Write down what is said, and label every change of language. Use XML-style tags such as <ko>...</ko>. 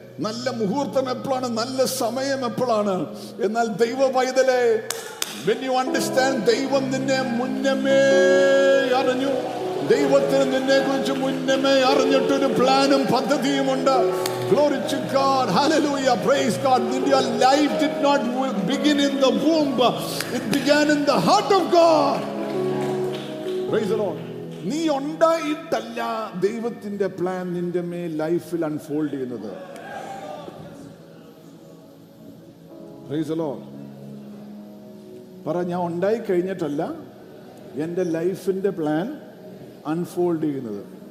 <ml>നല്ല മുഹൂർത്തം എപ്പോഴാണ്, നല്ല സമയം എപ്പോഴാണ്? എന്നാൽ ദൈവ പൈതലെ,</ml> <en>when you understand,</en> <ml>ദൈവം നിന്നെ മുന്നമേ അറിഞ്ഞു. ദൈവത്തിന് നിന്നെ കുറിച്ച് മുന്നമേ അറിഞ്ഞിട്ട് ഒരു പ്ലാനും പദ്ധതിയും ഉണ്ട്.</ml> <en>Glory to God. Hallelujah. Praise God. Your life did not begin in the womb, it began in the heart of God. Praise the Lord.</en> <ml>നീ ഉണ്ടായിട്ടല്ല ദൈവത്തിന്റെ പ്ലാൻ നിന്റെ മേൽ ലൈഫിൽ അൺഫോൾഡ് ചെയ്യുന്നത്.</ml> <en>Praise the Lord.</en> <ml>പറ, ഞാൻ ഉണ്ടായി കഴിഞ്ഞിട്ടല്ല എന്റെ ലൈഫിന്റെ പ്ലാൻ അൺഫോൾഡ് ചെയ്യുന്നത്.</ml>